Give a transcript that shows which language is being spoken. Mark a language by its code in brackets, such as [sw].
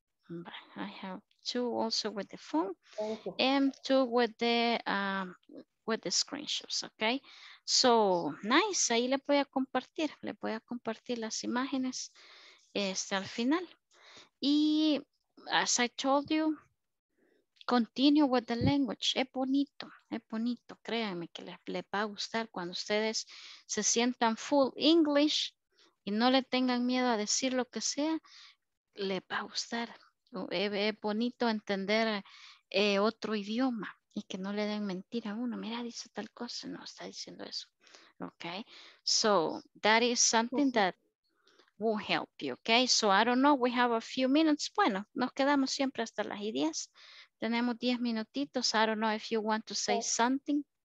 [en] I have two also with the phone and two with the screenshots, okay? So, nice, [es] ahí les voy a compartir las imágenes al final. [en] Y as I told you, continue with the language. [es] Es bonito, créanme que les va a gustar cuando ustedes se sientan [en] full English [es] y no le tengan miedo a decir lo que sea, les va a gustar. Es bonito entender otro idioma y que no le den mentira a uno. Mira, dice tal cosa, no está diciendo eso. [en] Okay, so that is something that will help you, okay? So I don't know, we have a few minutes. [es] Bueno, nos quedamos siempre hasta las 10. Tenemos 10 minutitos. [en] I don't know if you want to say something.